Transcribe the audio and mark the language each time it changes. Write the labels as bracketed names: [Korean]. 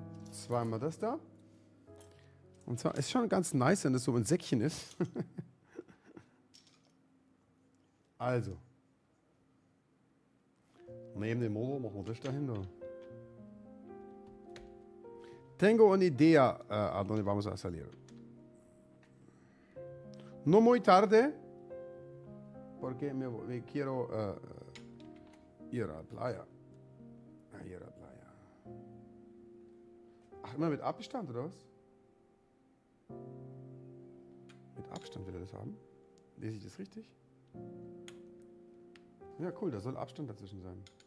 [German] Zweimal das da. Und zwar ist schon ganz nice, wenn das so ein Säckchen ist. Also, neben dem Motor machen wir das dahinter. [Spanish] Tengo una idea, a donde vamos a salir. No muy tarde, porque me quiero ir a la playa. Ir a la playa. [German] Ach, immer mit Abstand, oder was? Mit Abstand will er das haben? Lese ich das richtig? Ja, cool, da soll Abstand dazwischen sein.